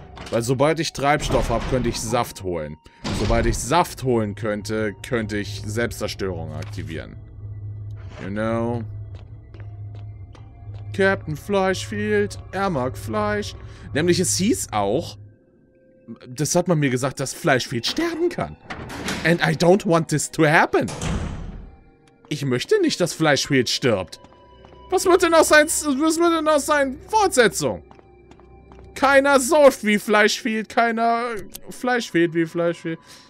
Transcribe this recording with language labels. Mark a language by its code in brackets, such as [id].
[de] Weil sobald ich Treibstoff habe, könnte ich Saft holen. Sobald ich Saft holen könnte, könnte ich Selbstzerstörung aktivieren. [en] You know? [de] Captain Fleischfield, er mag Fleisch. Nämlich, es hieß auch, das hat man mir gesagt, dass Fleischfield sterben kann. [en] And I don't want this to happen. [de] Ich möchte nicht, dass Fleischfield stirbt. Was wird denn aus seinen Fortsetzungen? Keiner sauft wie Fleischfield, keiner Fleischfield wie Fleischfield.